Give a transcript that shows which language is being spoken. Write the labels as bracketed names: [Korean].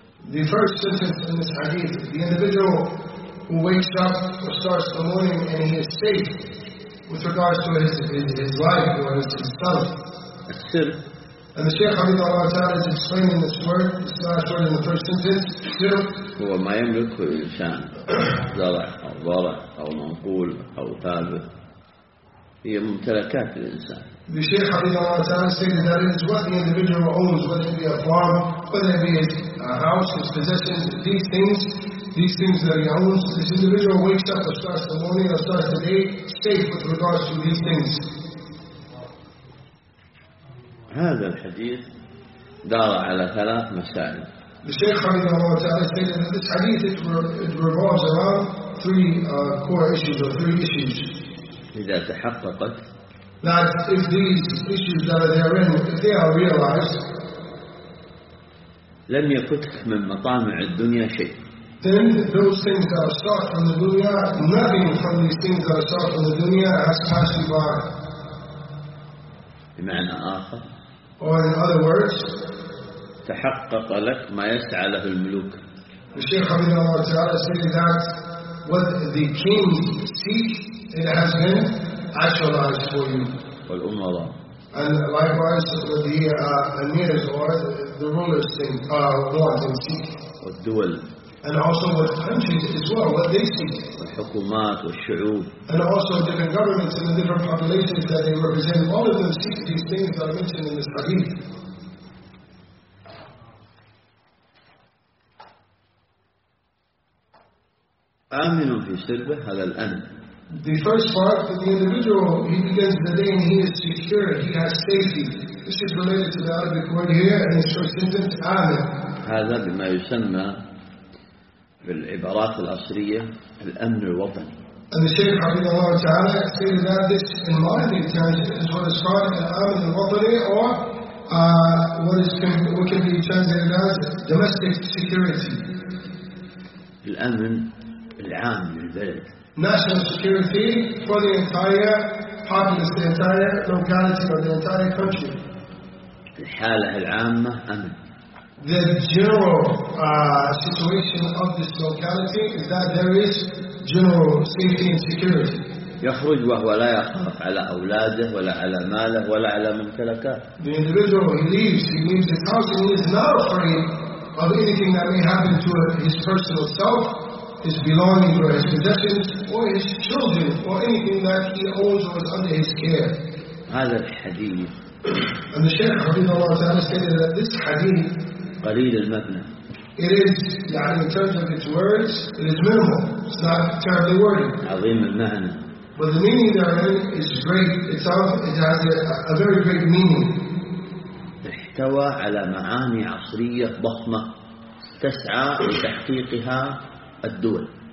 [English] The first sentence in this hadith, the individual who wakes up or starts the morning and he is safe with regards to his life or his self. And the Shaykh Habib Allah Ta'ala is explaining this word, this last word in the first sentence, [Arabic] هو ما يملك الإنسان زرع أو ضرع أو منقول أو ثابت هي ممتلكات الإنسان. [English] The Shaykh Habib Allah Ta'ala stated that it is what the individual owns, whether it be a farm, whether it be a house, his possessions, these things that he owns. This individual wakes up or starts the morning or starts the day safe with regards to these things. [Arabic] هذا الحديث دار على ثلاث مسائل. [English] The Shaykh [Arabic] حفظه الله تعالى [English] stated that this hadith it revolves around three core issues or three issues. [Arabic] إذا تحققت [English] that if these issues that they are in, if they are realized, [Arabic] لم يفتح من مطامع الدنيا شيء. [English] Then those things that are sought from the dunya, nothing from these things that are sought from the dunya has passed you by. [Arabic] بمعنى آخر. [English] Or in other words, [Arabic] تحقق لك ما يسعى له الملوك. [English] The Shaykh Abid Allah Ta'ala said that what the kings seek, it has been actualized for you. [Arabic] والأمراء. [English] And likewise, with the emirs or the rulers think, want and seek. [Arabic] والدول. [English] And also with countries as well, what they seek. [Arabic] والحكومات والشعوب. [English] And also different governments and the different populations that they represent, all of them seek these things that are mentioned in this hadith. [Arabic] آمن في سربه على الأمن. [English] The first part, the individual, he begins the day and he is secure, he has safety. This is related to the Arabic word here in the short sentence, آمن. [Arabic] هذا بما يسمى بالعبارات العصرية الأمن الوطني. [English] And the Shaykh [Arabic] حفظه الله تعالى [English] said that this in modern terms is what is called an [Arabic] آمن الوطني [English] or what can be translated as domestic security. [Arabic] الأمن العام للبلد. [English] National security for the entire populace, the entire locality, or the entire country. [Arabic] الحالة العامة أمن. [English] The general situation of this locality is that there is general safety and security. [Arabic] يخرج وهو لا يخاف على أولاده ولا على ماله ولا على ممتلكاته. [English] The individual he leaves his house and he is not afraid of anything that may happen to his personal self. His belongings or his possessions or his children or anything that he owns or is under his care. [Arabic] هذا الحديث. [English] And the Shaykh [Arabic] رحمه الله تعالى [English] stated that this hadith [Arabic] قليل المبنى. [English] It is, يعني, in terms of its words, it is minimal. It's not terribly wordy. [Arabic] عظيم المعنى. [English] But the meaning therein is great. It has a very great meaning. [Arabic] احتوى على معاني عصرية ضخمة تسعى لتحقيقها الدول.